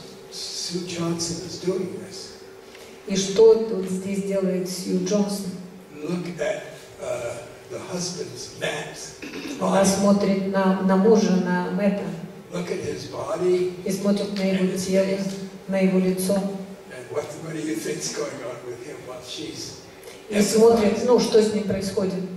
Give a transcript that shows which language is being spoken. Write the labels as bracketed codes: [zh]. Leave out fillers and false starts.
[en] Sue Johnson is doing this. [ru] И что тут здесь делает Сью Джонсон? [en] Look at the husband's Matt's body. [ru] Она смотрит на мужа, на Мэтта. [en] Look at his body. [ru] И смотрит на его тело, на его лицо. [en] And what do you think's going on with him while she's? [ru] И смотрит, ну что с ним происходит?